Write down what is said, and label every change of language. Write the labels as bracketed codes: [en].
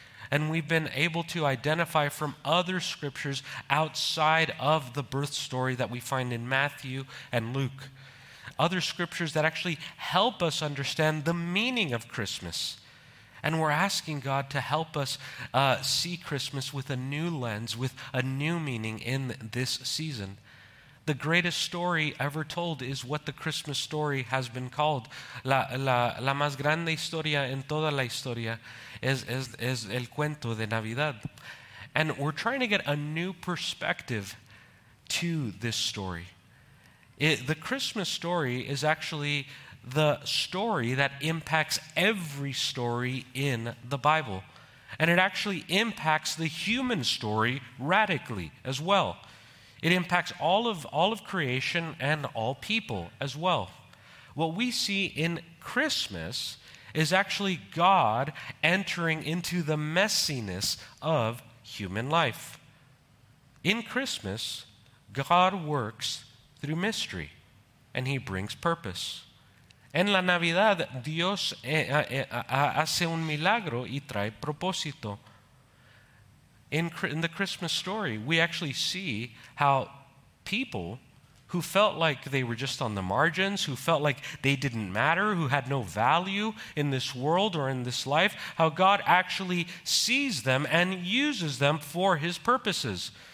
[en] And we've been able to identify from other scriptures outside of the birth story that we find in Matthew and Luke, other scriptures that actually help us understand the meaning of Christmas. And we're asking God to help us see Christmas with a new lens, with a new meaning in this season. The greatest story ever told is what the Christmas story has been called. [es] La más grande historia en toda la historia es el cuento de Navidad. [en] And we're trying to get a new perspective to this story. The Christmas story is actually the story that impacts every story in the Bible. And it actually impacts the human story radically as well. It impacts all of creation and all people as well. What we see in Christmas is actually God entering into the messiness of human life. In Christmas, God works through mystery, and he brings purpose. [es] En la Navidad, Dios hace un milagro y trae propósito. [en] In the Christmas story, we actually see how people who felt like they were just on the margins, who felt like they didn't matter, who had no value in this world or in this life, how God actually sees them and uses them for his purposes.